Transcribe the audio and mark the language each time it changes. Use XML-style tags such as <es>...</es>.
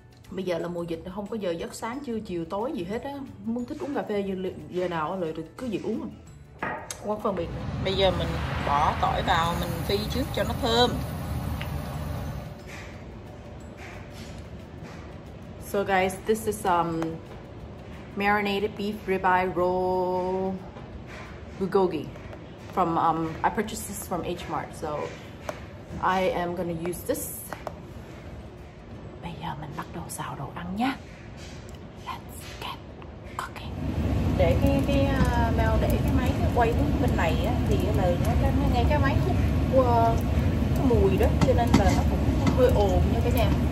<vi>Bây giờ là mùa dịch, không có giờ giấc, sáng trưa chiều tối gì hết á. Muốn thích uống cà phê giờ nào là cứ việc uống. Quá phân biệt. Bây giờ mình bỏ tỏi vào, mình phi trước cho nó thơm.</vi> <en>So guys, this is marinated beef ribeye roll bulgogi from I purchased this from H Mart. So I am gonna use this.</en> <vi>Bây giờ mình bắt đầu xào đồ ăn nhé.</vi> <en>Let's get cooking.</en> <vi>Để cái mèo để cái máy quay bên này á, thì là nó nghe cái máy hút cái mùi đó, cho nên là nó cũng hơi ồn nha cả nhà.</vi>